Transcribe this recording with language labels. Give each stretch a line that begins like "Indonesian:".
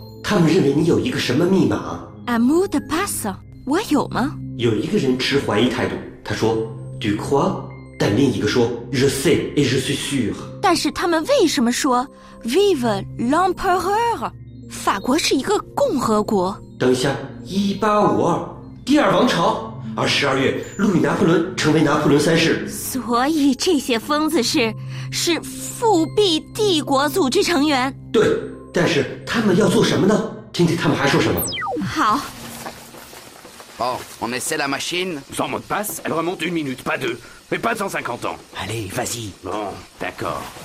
Chinese: 他们认为你有一个什么密码
French: Un mot de passe,
Chinese: 我有吗有一个人持怀疑态度他说
French: Tu crois?
Chinese: 但另一个说
French: Je sais et je suis sûr
Chinese: 但是他们为什么说
French: Vive l'empereur
Chinese: 法国是一个共和国等一下1852第二王朝而12月路易拿破仑成为拿破仑三世所以这些疯子是复辟帝国组织成员对但是他们要做什么呢听听他们还说什么好
French: Bon, on essaie la machine Sans mot de passe, elle remonte une minute, pas deux Mais pas 150 ans Allez, vas-y Bon, d'accord